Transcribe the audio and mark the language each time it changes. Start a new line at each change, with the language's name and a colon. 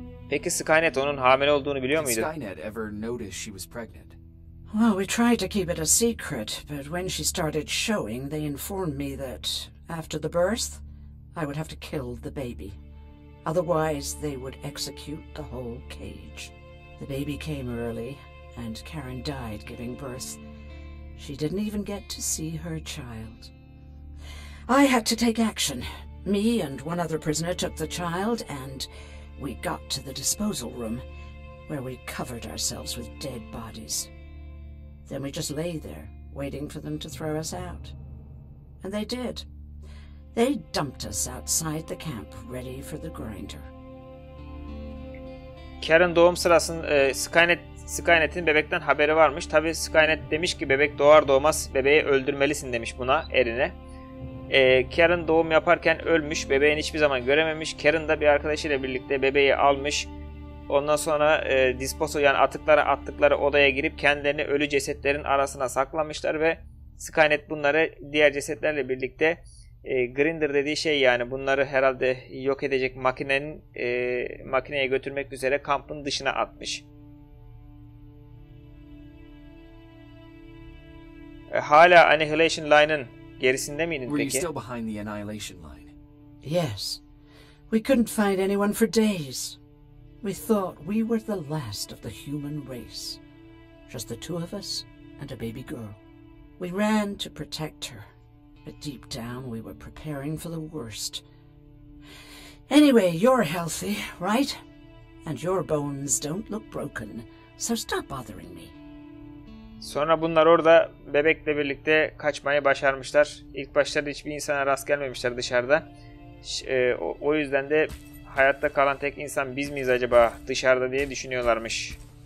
Turkish: Peki Skynet onun hamile olduğunu biliyor muydu?
English: Skynet ever noticed she was pregnant? Well, we tried to keep it a secret, but when she started showing, they informed me that after the birth, I would have to kill the baby. Otherwise, they would execute the whole cage. The baby came early, and Karen died giving birth. She didn't even get to see her child. I had to take action. Me and one other prisoner took the child, and we got to the disposal room, where we covered ourselves with dead bodies. Then we just lay there, waiting for them to throw us out. And they did. They dumped us outside the camp, ready for the grinder.
Turkish: Karen doğum sırasında Skynet'in bebekten haberi varmış. Tabii Skynet demiş ki bebek doğar doğmaz bebeği öldürmelisin demiş buna, Erin'e. Karen doğum yaparken ölmüş, bebeğini hiçbir zaman görememiş. Karen da bir arkadaşıyla birlikte bebeği almış. Ondan sonra disposal, yani atıkları attıkları odaya girip kendilerini ölü cesetlerin arasına saklamışlar ve Skynet bunları diğer cesetlerle birlikte Grinder dediği şey, yani bunları herhalde yok edecek makinenin makineye götürmek üzere kampın dışına atmış. Hala Annihilation Line'ın gerisinde miydin peki?
English: Were you still behind the Annihilation Line? Yes. We couldn't find anyone for days. We thought we were the last of the human race. Just the two of us and a baby girl. We ran to protect her. But deep down, we were preparing for the worst. Anyway, you're healthy, right? And your bones don't look broken, so stop bothering me.
Turkish: Sonra bunlar orada bebekle birlikte kaçmayı başarmışlar. İlk başlarda hiçbir insana rast gelmemişler dışarıda. O yüzden de hayatta kalan tek insan biz miyiz acaba dışarıda diye düşünüyorlarmış.